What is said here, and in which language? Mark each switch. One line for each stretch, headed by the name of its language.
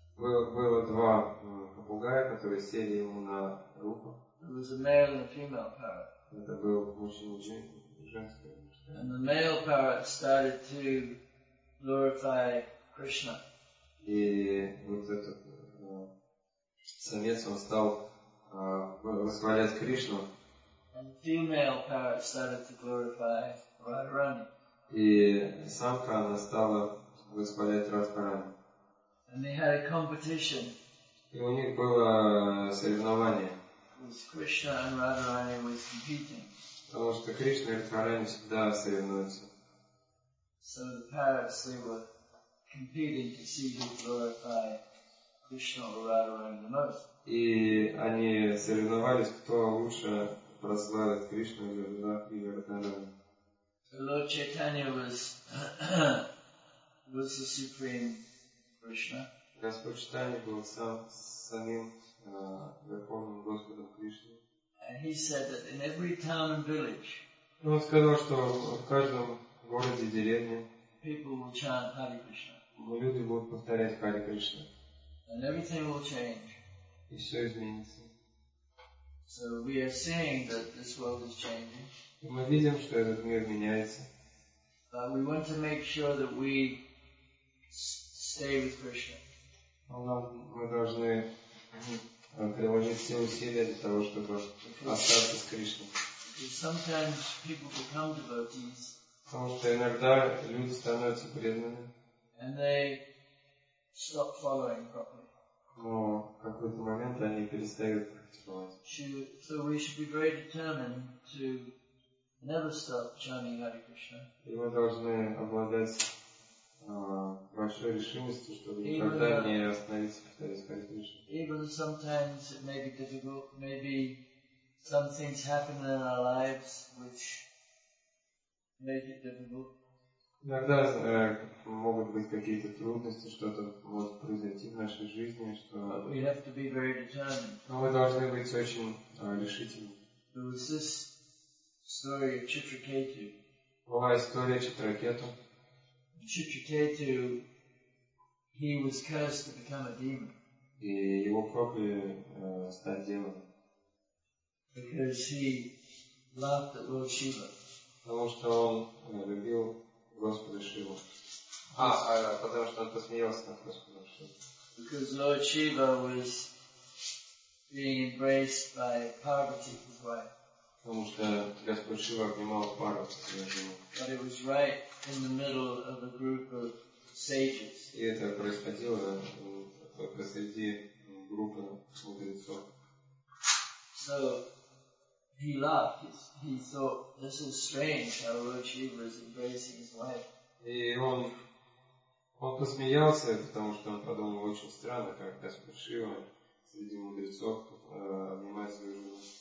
Russian: Было два попугая, которые сели ему на руку.
English: There was a male and a female parrot.
Russian: Это был мужчина и женщина.
English: And the male parrot started to glorify Krishna.
Russian: И вот этот самец он стал восхвалять Кришну.
English: And the female parrot started to glorify Radharani.
Russian: И самка она стала восхвалять Радхарани.
English: And they had a competition.
Russian: И у них было соревнование.
English: Because Krishna and Radharani was competing.
Russian: Потому что Кришна и Радхарани всегда соревнуются.
English: So the parrots, they were competing to see who glorify Krishna or Radharani the most.
Russian: И они соревновались, кто лучше прославит Кришну или Радхарани.
English: So Lord Chaitanya was was the supreme Krishna.
Russian: Господь Чайтанья был самим верховным Господом Кришны.
English: And he said that in every town and village,
Russian: он сказал, что в каждом городе, деревне,
English: people will chant Hare Krishna.
Russian: Люди будут повторять Харе Кришна.
English: And everything will change.
Russian: И все изменится.
English: So we are seeing that this world is changing.
Russian: И мы видим, что этот мир меняется.
English: But we want to make sure that we stay with Krishna.
Russian: Мы должны приложить все усилия для того, чтобы остаться с Кришной.
English: Sometimes people become devotees.
Russian: Потому что иногда люди становятся преданными.
English: And they stop following properly.
Russian: Но в какой-то момент они перестают практиковать.
English: So we should be very determined to never stop chanting Hare Krishna.
Russian: И мы должны обладать большой решимостью, чтобы никогда не остановиться повторять Харе Кришна.
English: Even sometimes it may be difficult, maybe some things happen in our lives which make it difficult.
Russian: Иногда могут быть какие-то трудности, что-то может произойти в нашей жизни, что.
English: But we have to be very determined.
Russian: Но мы должны быть очень решительными.
English: There was this story of Chitraketu.
Russian: Была история Читракету.
English: Chitraketu, he was cursed to become a demon.
Russian: И его прокляли стать демоном.
English: Because he loved the Lord Shiva.
Russian: Потому что он любил Господа Шиву. потому что он посмеялся над Господом.
English: Because Lord Shiva was being embraced by Parvati, his wife.
Russian: Потому что Господь Шива обнимал Парвати, свою жену.
English: But it was right in the middle of a group of sages.
Russian: И это происходило посреди группы мудрецов.
English: So he laughed. He thought, "This is strange. How Lord Shiva is embracing his wife."
Russian: И он посмеялся, потому что он подумал, очень странно, как Господь Шива среди мудрецов обнимает свою жену.